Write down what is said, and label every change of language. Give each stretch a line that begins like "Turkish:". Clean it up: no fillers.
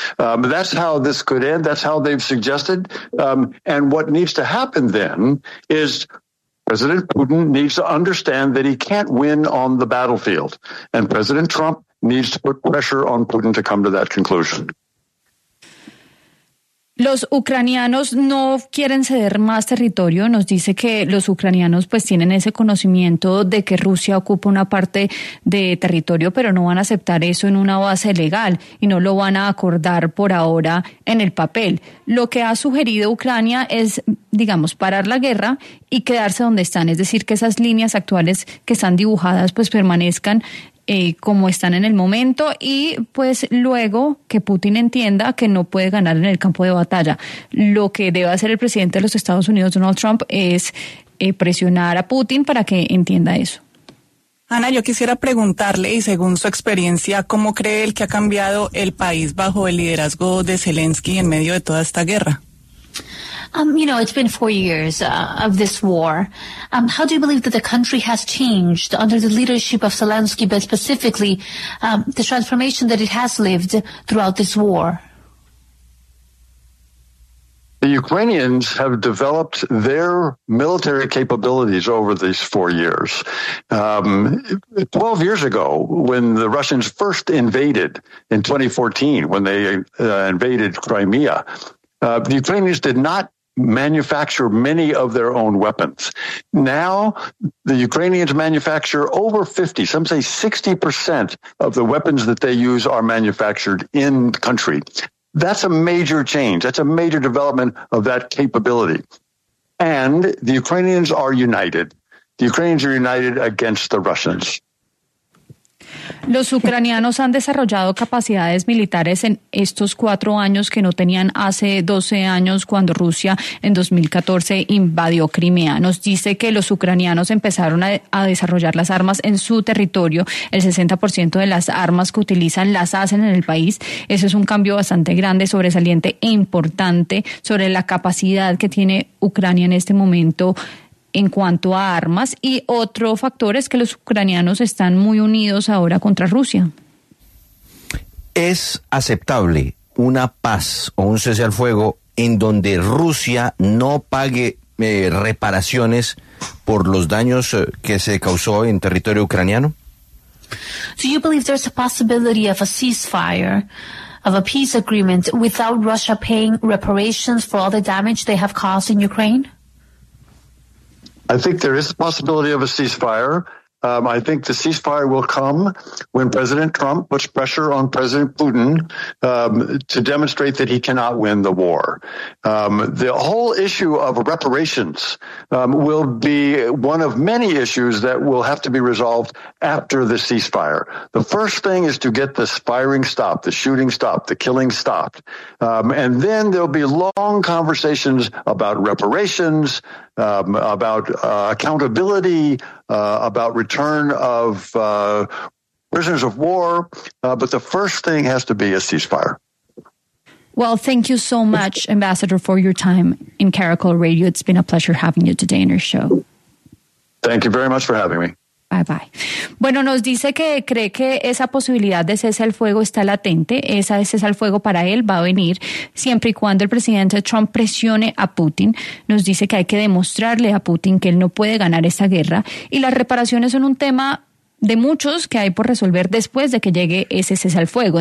English: That's how this could end. That's how they've suggested. And what needs to happen then is President Putin needs to understand that he can't win on the battlefield. And President Trump needs to put pressure on Putin to come to that conclusion.
Spanish: Los ucranianos no quieren ceder más territorio. Nos dice que los ucranianos pues tienen ese conocimiento de que Rusia ocupa una parte de territorio, pero no van a aceptar eso en una base legal y no lo van a acordar por ahora en el papel. Lo que ha sugerido Ucrania es, digamos, parar la guerra y quedarse donde están, es decir, que esas líneas actuales que están dibujadas pues permanezcan como están en el momento, y pues luego que Putin entienda que no puede ganar en el campo de batalla. Lo que debe hacer el presidente de los Estados Unidos, Donald Trump, es presionar a Putin para que entienda eso. Ana, yo quisiera preguntarle, y según su experiencia, ¿cómo cree él que ha cambiado el país bajo el liderazgo de Zelensky en medio de toda esta guerra?
English: You know, it's been 4 years of this war. How do you believe that the country has changed under the leadership of Zelensky, but specifically the transformation that it has lived throughout this war? The Ukrainians have developed their military capabilities over these 4 years. 12 years ago, when the Russians first invaded in 2014, when they invaded Crimea, the Ukrainians did not manufacture many of their own weapons. Now, the Ukrainians manufacture over 50, some say 60% of the weapons that they use are manufactured in country. That's a major change. That's a major development of that capability. And the Ukrainians are united. The Ukrainians are united against the Russians.
Spanish: Los ucranianos han desarrollado capacidades militares en estos 4 años que no tenían hace 12 años cuando Rusia en 2014 invadió Crimea. Nos dice que los ucranianos empezaron a desarrollar las armas en su territorio. El 60% de las armas que utilizan las hacen en el país. Eso es un cambio bastante grande, sobresaliente e importante sobre la capacidad que tiene Ucrania en este momento en cuanto a armas, y otro factor es que los ucranianos están muy unidos ahora contra Rusia. ¿Es aceptable una paz o un cese al fuego en donde Rusia no pague reparaciones por los daños que se causó en territorio ucraniano?
English: Do you believe there's a possibility of a ceasefire, of a peace agreement, without Russia paying reparations for all the damage they have caused in Ukraine? I think there is a possibility of a ceasefire. I think the ceasefire will come when President Trump puts pressure on President Putin to demonstrate that he cannot win the war. The whole issue of reparations will be one of many issues that will have to be resolved after the ceasefire. The first thing is to get the firing stopped, the shooting stopped, the killing stopped. And then there'll be long conversations about reparations, about accountability, about return of prisoners of war. But the first thing has to be a ceasefire. Well, thank you so much, Ambassador, for your time in Caracol Radio. It's been a pleasure having you today in our show. Thank you very much for having me. Bye bye.
Spanish: Bueno, nos dice que cree que esa posibilidad de cese al fuego está latente. Esa de cese al fuego para él va a venir siempre y cuando el presidente Trump presione a Putin. Nos dice que hay que demostrarle a Putin que él no puede ganar esta guerra. Y las reparaciones son un tema de muchos que hay por resolver después de que llegue ese cese al fuego.